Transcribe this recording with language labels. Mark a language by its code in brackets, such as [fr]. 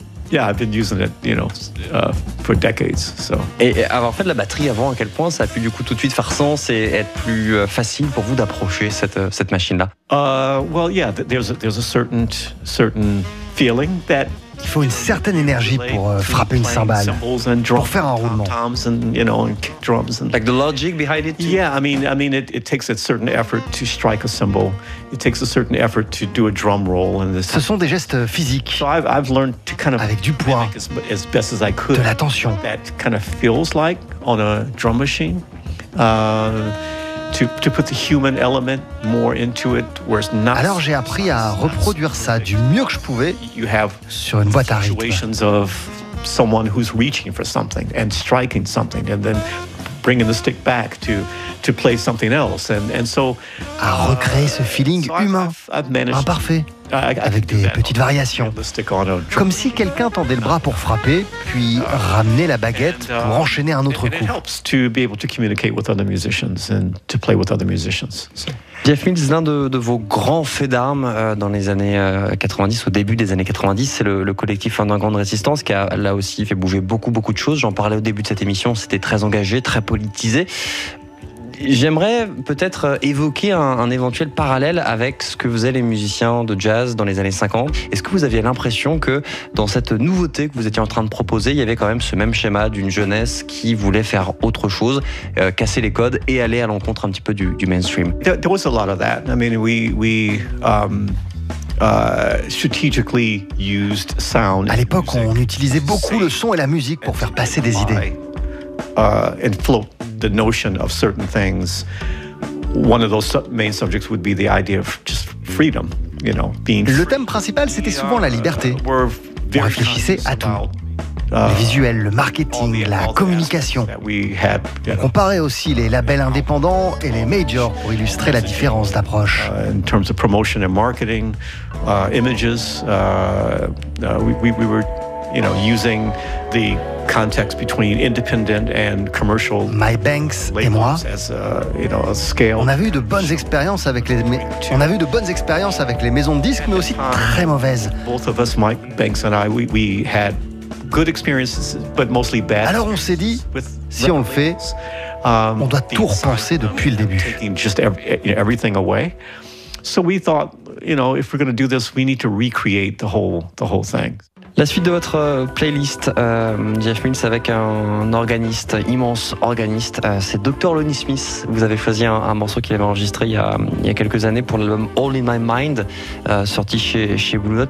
[en] Yeah, I've been using it, you know, for decades. So. [fr] Et avoir fait de la batterie avant, à quel point ça a pu du coup tout de suite faire sens et être plus facile pour vous d'approcher cette machine-là? [en] There's a certain feeling that. [fr] Il faut une certaine énergie pour frapper une cymbale, pour faire un roulement. [en] And, you know, and drums and. Like the logic behind it too. Yeah, I mean, it takes a certain effort to strike a cymbal. It takes a certain effort to do a drum roll. And this. [fr] Ce sont des gestes physiques. [en] So I've learned to kind of. [fr] Avec du poids. [en] As best as I could. [fr] De la tension. [en] That kind of feels like on a drum machine. to put the human element more into it, where it's not. [fr] Alors j'ai appris à reproduire ça du mieux que je pouvais. [en] You have [fr] sur une boîte à rythme. [en] Situations of someone who's reaching for something and striking something, and then bringing the stick back to play something else, and so. [fr] À recréer ce feeling humain, imparfait, avec des petites variations. Comme si quelqu'un tendait le bras pour frapper, puis ramenait la baguette pour enchaîner un autre coup. [en] It helps to be able to communicate with other musicians and to play with other musicians. [fr] Jeff Mills, l'un de vos grands faits d'armes dans les années 90, au début des années 90, c'est le collectif Underground Resistance qui a là aussi fait bouger beaucoup, beaucoup de choses. J'en parlais au début de cette émission, c'était très engagé, très politisé. J'aimerais peut-être évoquer un éventuel parallèle avec ce que faisaient les musiciens de jazz dans les années 50. Est-ce que vous aviez l'impression que dans cette nouveauté que vous étiez en train de proposer, il y avait quand même ce même schéma d'une jeunesse qui voulait faire autre chose, casser les codes et aller à l'encontre un petit peu du mainstream? [en] There was a lot of that. I mean, strategically used sound. [fr] À l'époque, on utilisait beaucoup le son et la musique pour faire passer des idées. [en] And float the notion of certain things. One of those main subjects would be the idea of just freedom, you know, being free. [fr] Le thème principal, c'était souvent la liberté. On réfléchissait à tout. Le visuel, le marketing, la communication. On comparait aussi les labels indépendants et les majors pour illustrer la différence d'approche. [en] In terms of promotion and marketing, images, we were, you know, using the context between independent and commercial. [fr] My Banks et moi, [en] as a, you know, a scale. [fr] On a eu de bonnes expériences avec les maisons de disques, mais aussi très mauvaises. [en] Both of us, Mike Banks and I, we had good experiences, but mostly bad. [fr] Alors on s'est dit, si on le fait, on doit tout repenser depuis le début. [en] Taking just everything away. So we thought, you know, if we're going to do this, we need to recreate the whole thing. [fr] La suite de votre playlist, Jeff Mills, avec un organiste, immense organiste, c'est Dr. Lonnie Smith. Vous avez choisi un morceau qu'il avait enregistré il y a quelques années pour l'album All In My Mind, sorti chez Blue Note.